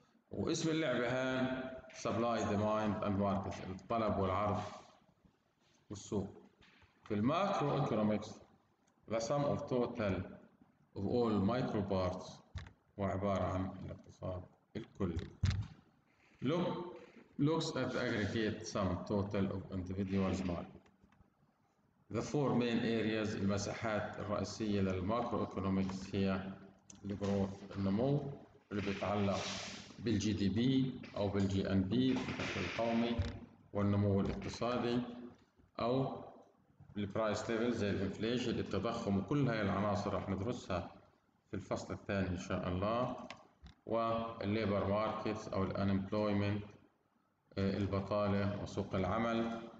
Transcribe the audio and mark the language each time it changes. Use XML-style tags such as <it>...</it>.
<ar>واسم اللعبة هان</ar> <en>Supply, Demand and Market،</en> <ar>الطلب والعرض والسوق. في الماكرو إيكونومكس،</ar> <en>The sum of total of all micro parts،</en> <ar>هو عبارة عن الاقتصاد الكلي.</ar> <en>Looks at the aggregate sum total of individual market. The four main areas،</en> <ar>المساحات الرئيسية للماكرو إيكونومكس هي الجروث، النمو اللي بيتعلق بالجي دي بي أو بالجي إن بي، الدخل القومي، والنمو الاقتصادي أو البرايس ليفل زي الانفليشن، التضخم، وكل هاي العناصر راح ندرسها في الفصل الثاني إن شاء الله، والليبر ماركت أو الانمبلويمنت، البطالة، وسوق العمل.</ar>